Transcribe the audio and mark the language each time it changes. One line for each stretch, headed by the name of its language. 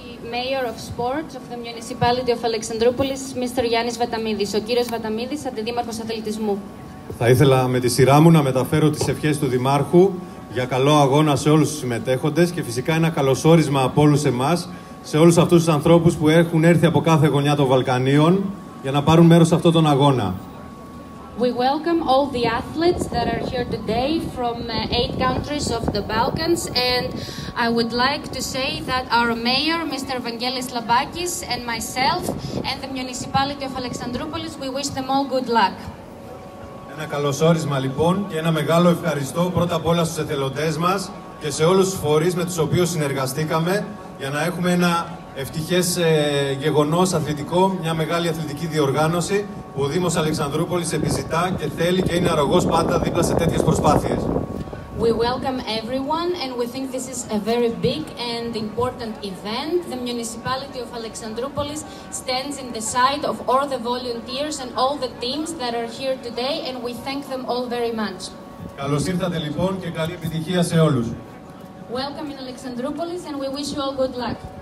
English: Mayor of Sports of the Municipality of Alexandroupolis, Mr. Yannis Vatamidis.
Greek: Ο κύριος Βαταμίδης, αντιδήμαρχος αθλητισμού. Θα ήθελα με τη σειρά μου να μεταφέρω τις ευχές του Δημάρχου για καλό αγώνα σε όλους τους συμμετέχοντες και φυσικά ένα καλωσόρισμα από όλους εμάς, σε όλους αυτούς τους ανθρώπους που έχουν έρθει από κάθε γωνιά των Βαλκανίων για να πάρουν μέρος σε αυτόν τον αγώνα.
English: We welcome all the athletes that are here today from 8 countries of the Balkans, and I would like to say that our mayor, Mr. Vangelis Labakis, and myself, and the municipality of Alexandroupolis, we wish them all good luck.
Greek: Ένα καλωσόρισμα λοιπόν και ένα μεγάλο ευχαριστώ πρώτα απ' όλα στους εθελοντές μας και σε όλους τους φορείς με τους οποίους συνεργαστήκαμε για να έχουμε ένα ευτυχές γεγονός αθλητικό, μια μεγάλη αθλητική διοργάνωση που ο Δήμος Αλεξανδρούπολης επιζητά και θέλει και είναι αρρωγός πάντα δίπλα σε τέτοιες προσπάθειες.
English: We welcome everyone and we think this is a very big and important event. The municipality of Alexandroupolis stands in the side of all the volunteers and all the teams that are here today and we thank them all very much.
Greek: Καλώς ήρθατε λοιπόν και καλή επιτυχία σε όλους.
English: Welcome in Alexandroupolis and we wish you all good luck.